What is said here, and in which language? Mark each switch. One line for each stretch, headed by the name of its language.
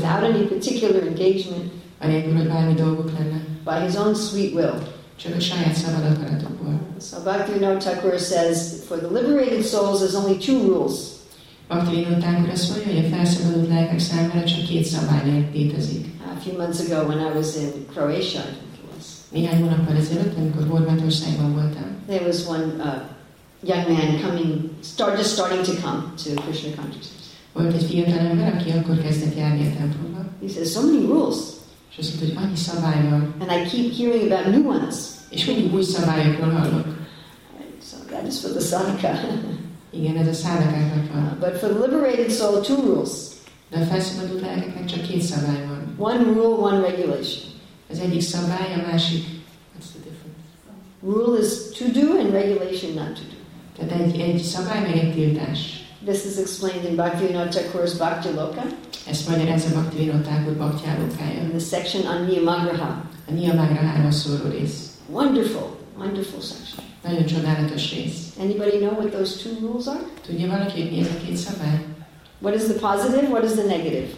English: Without any particular engagement.
Hungarian: Anélkül, hogy bármi dolgok lenne.
English: By his own sweet will.
Hungarian: Csak a saját szabad akaratokból.
English: So Bhaktivinoda Thakura says, for the liberated souls, there's only two rules.
Hungarian: Bhaktivinoda Thakura azt mondja, hogy a felszabadult lelkek számára csak két szabály létezik.
English: A few months ago, when I was in Croatia.
Hungarian: Néhány hónappal ezelőtt, amikor Horvátországban voltam.
English: There was one young man coming, starting to come to Krishna consciousness.
Hungarian: Volt egy fiatal ember, aki akkor kezdett járni a templomba.
English: He says, so many rules.
Hungarian: És azt mondta, hogy annyi szabály van.
English: And I keep hearing about new ones.
Hungarian: És mindig új szabályokról hallok.
English: So that is for the sadhaka.
Hungarian: Igen, ez a sadhakáknak van.
English: But for the liberated soul, two rules.
Hungarian: De a felszabadult lelkeknek csak két szabály van.
English: One rule, one regulation.
Hungarian: Az egyik szabály, a másik.
English: What's the difference? Rule is to do and regulation not to do.
Hungarian: Tehát egy szabály, meg egy tiltás.
English: This is explained in Bhaktivinoda Thakura's Bhakti Loka.
Hungarian: Ezt magyarázza Bhaktivinoda Thakur Bhaktya Lokája.
English: In the section on Niyamagraha.
Hungarian: A Niyamagrahára szóló rész.
English: Wonderful, wonderful section.
Hungarian: Nagyon csodálatos rész.
English: Anybody know what those two rules are?
Hungarian: Tudja valaki, hogy mi ez a két szabály?
English: What is the positive? What is the negative?